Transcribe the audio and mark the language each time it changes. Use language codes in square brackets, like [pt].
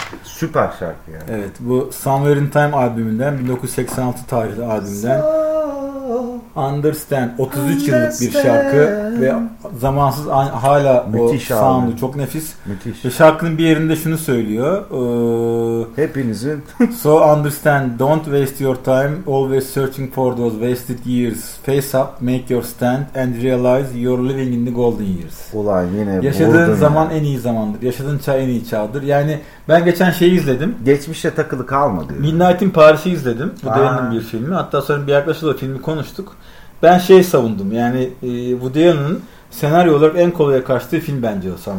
[tr] Süper şarkı yani. Evet, bu Somewhere in Time albümünden, 1986 tarihli albümden. Understand, 33 yıllık bir şarkı ve zamansız, hala müthiş o sound'u çok nefis. Müthiş. Ve şarkının bir yerinde şunu söylüyor. Hepinizin. [en] So understand, don't waste your time, always searching for those wasted years. Face up, make your stand and realize you're living in the golden years. [tr] Ulan yine yaşadığın zaman ya. En iyi zamandır, yaşadığın çağ en iyi çağdır. Yani ben geçen şeyi izledim. Geçmişe takılı kalma diyor. Midnight in Paris'i izledim. Bu değerli bir filmi. Hatta sonra bir arkadaşla filmi konuştuk. Ben şey savundum. Yani Woody Allen'ın senaryo olarak en kolaya kaçtığı film bence o.